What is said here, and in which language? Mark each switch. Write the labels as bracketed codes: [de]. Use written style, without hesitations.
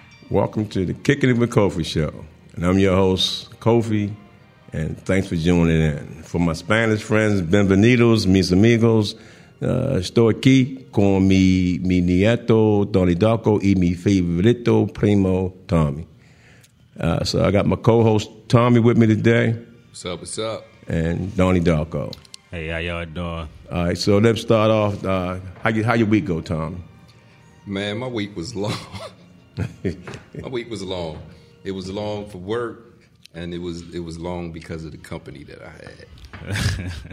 [en] Welcome to the Kicking It With Kofi Show. And I'm your host, Kofi, and thanks for joining in. For my Spanish friends, [es] bienvenidos, mis amigos, estoy aquí con mi nieto, Donnie Darko, y mi favorito primo, Tommy. [en] So I got my co-host, Tommy, with me today. What's up, what's up? And Donnie Darko. Hey, how y'all doing? All right, so let's start off. How your week go, Tommy? Man, my week was long. It was long for work, and it was long because of the company that I had.